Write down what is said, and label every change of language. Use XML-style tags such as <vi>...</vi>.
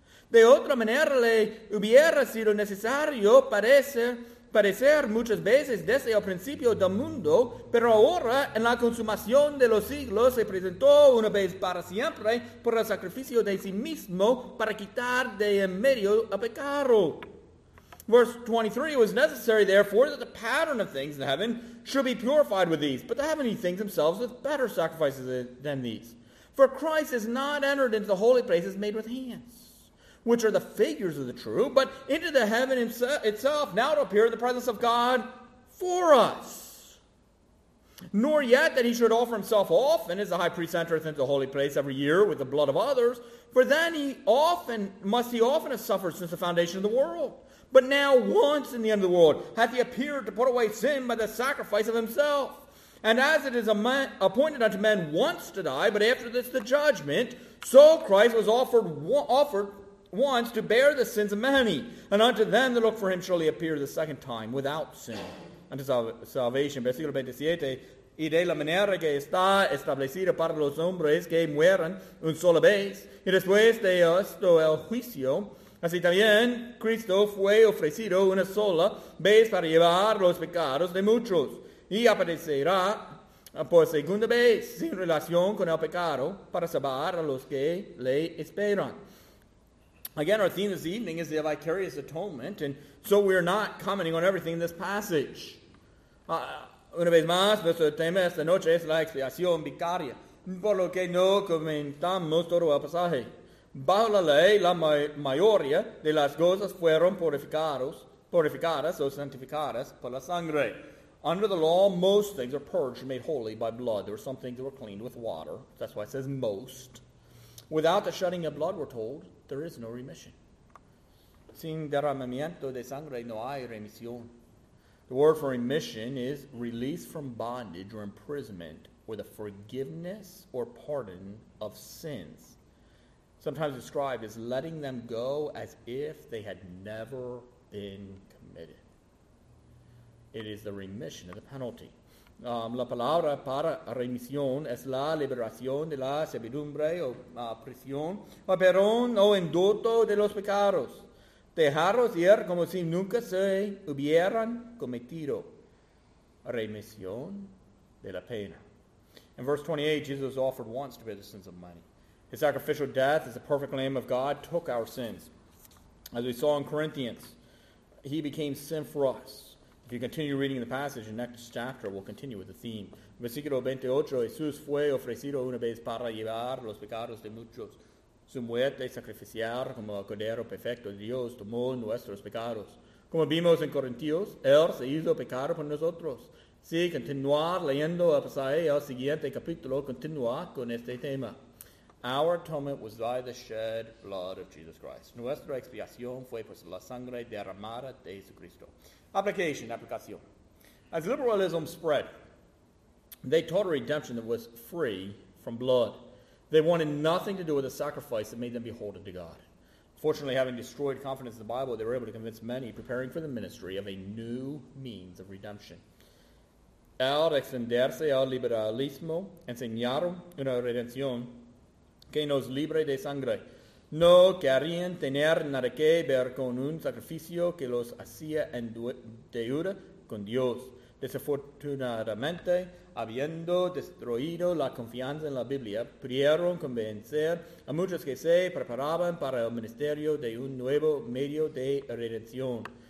<es>De otra manera le hubiera sido necesario parecer muchas veces desde el principio del mundo, pero ahora en la consumación de los siglos se presentó una vez para siempre por el sacrificio de sí mismo para quitar de en medio el pecado.</es> <en>Verse 23, it was necessary, therefore, that the pattern of things in heaven should be purified with these, but the heavenly things themselves with better sacrifices than these. For Christ has not entered into the holy places made with hands, which are the figures of the true, but into the heaven itself, now to appear in the presence of God for us. Nor yet that he should offer himself often, as the high priest entereth into the holy place every year with the blood of others, for then must he often have suffered since the foundation of the world. But now once in the end of the world hath he appeared to put away sin by the sacrifice of himself. And as it is appointed unto men once to die, but after this the judgment, so Christ was offered once to bear the sins of many. And unto them that look for him shall he appear the second time without sin unto salvation.</en> <es>Versículo 27. Y de la manera que está establecido para los hombres que mueran un sola vez, y después de esto el juicio, así también Cristo fue ofrecido una sola vez para llevar los pecados de muchos, y aparecerá por segunda vez sin relación con el pecado para salvar a los que le esperan.</es> <en>Again, our theme this evening is the vicarious atonement, and so we are not commenting on everything in this passage.</en> <es>Una vez más, nuestro tema esta noche es la expiación vicaria, por lo que no comentamos todo el pasaje. Bajo la ley, la mayoría de las cosas fueron purificadas o santificadas por la sangre.</es> <en>Under the law, most things are purged, made holy by blood. There were some things that were cleaned with water. That's why it says most. Without the shedding of blood, we're told, there is no remission.</en> <es>Sin derramamiento de sangre, no hay remisión.</es> <en>The word for remission is release from bondage or imprisonment or the forgiveness or pardon of sins. Sometimes described as letting them go as if they had never been committed. It is the remission of the penalty.</en> <es>La palabra para remisión es la liberación de la servidumbre o prisión, o perdón o indulto de los pecados. Dejarlos ir como si nunca se hubieran cometido. Remisión de la pena.</es> <en>In verse 28, Jesus offered once to bear the sins of many. His sacrificial death as the perfect Lamb of God took our sins. As we saw in Corinthians, he became sin for us. If you continue reading the passage in the next chapter, we'll continue with the theme.</en> <es>Versículo 28, Jesús fue ofrecido una vez para llevar los pecados de muchos. Su muerte sacrificial como el Cordero Perfecto de Dios tomó nuestros pecados. Como vimos en Corintios, él se hizo pecado por nosotros. Si continuar leyendo el pasaje, el siguiente capítulo continúa con este tema.</es> <en>Our atonement was by the shed blood of Jesus Christ.</en> <es>Nuestra expiación fue por la sangre derramada de Jesucristo.</es> <en>Application, aplicación. As liberalism spread, they taught a redemption that was free from blood. They wanted nothing to do with the sacrifice that made them beholden to God. Fortunately, having destroyed confidence in the Bible, they were able to convince many, preparing for the ministry, of a new means of redemption.</en> <es>Al extenderse al liberalismo, enseñaron una redención que nos libre de sangre. No querían tener nada que ver con un sacrificio que los hacía en deuda con Dios. Desafortunadamente, habiendo destruido la confianza en la Biblia, pudieron convencer a muchos que se preparaban para el ministerio de un nuevo medio de redención.</es>